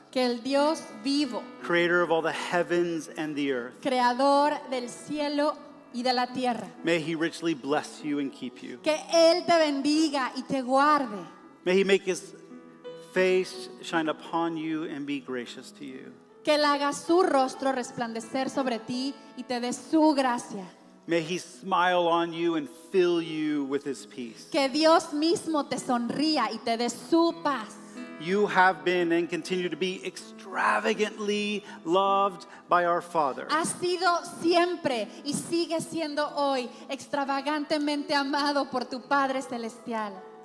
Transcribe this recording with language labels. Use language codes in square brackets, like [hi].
[es] que el Dios vivo, [en] creator of all the heavens and the earth, [es] creador del cielo y de la tierra, [en] may he richly bless you and keep you. [es] Que él te bendiga y te guarde. [en] May he make his face shine upon you and be gracious to you. [es] Que él haga su rostro resplandecer sobre ti y te dé su gracia. [en] May he smile on you and fill you with his peace. [es] Que Dios mismo te sonría y te dé su paz. [en] You have been and continue to be extravagantly loved by our Father. [es] Ha sido siempre y sigue siendo hoy extravagantemente amado por tu Padre Celestial.